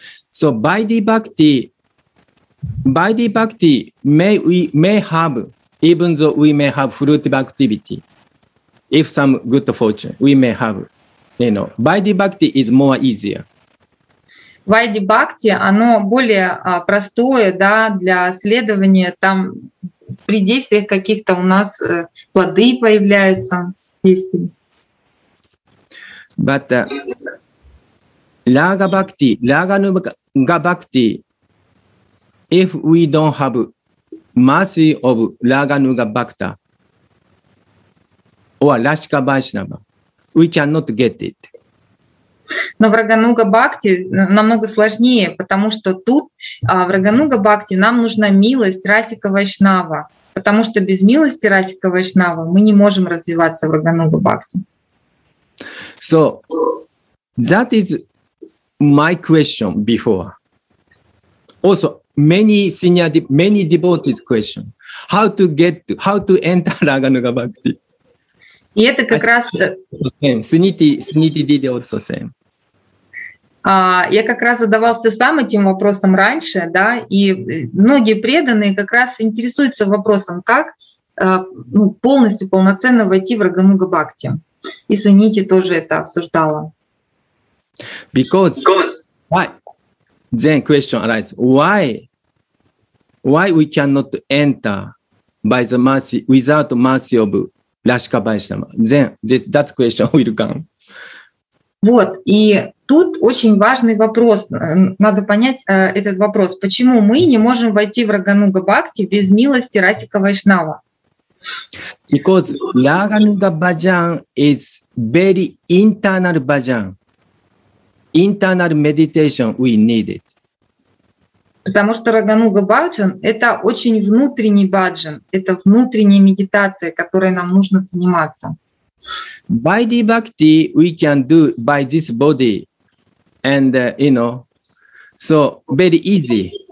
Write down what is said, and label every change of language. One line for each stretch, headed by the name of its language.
English: So body bhakti may we may have, even though we may have fruitive activity, if some good fortune, we may have. You know, Vaidhi Bhakti is more easier.
Russian: Vaidhi Bhakti, оно более простое, да, для следования. Там при действиях каких-то у нас плоды появляются. Действия.
English: But Raga Bhakti, if we don't have mercy of Raga Nuga Bhakta or Lashka Vaishnava, we cannot get it.
Russian: Но в Рагануга Бхакти намного сложнее, потому что тут в Рагануга Бхакти нам нужна милость Расика Вайшнава, потому что без милости Расика Вайшнава мы не можем развиваться в Рагануга Бхакти.
English: So that is my question before. Also, many devotees question. How to enter Рагануга Бхакти?
Russian: И это как раз...
English: Сниди диди also same.
Russian: Я как раз задавался сам этим вопросом раньше, да, и многие преданные как раз интересуются вопросом, как полностью, полноценно войти в Рагануга Бхакти. И Сунити тоже это обсуждала.
English: Because why? Then question arises. Why we cannot enter by the mercy, without mercy of Ляшка Байшнама. That question will come.
Russian: Вот, и тут очень важный вопрос. Надо понять этот вопрос. Почему мы не можем войти в Рагануга Бхакти без милости Расика Вайшнава?
English: Because Рагануга Бхаджан is very internal bhajan. Internal meditation we need it.
Russian: Потому что Рагануга Бхаджан — это очень внутренний бхаджан, это внутренняя медитация, которой нам нужно заниматься.
English: By the bhakti we can do by this body, and you know, so very easy.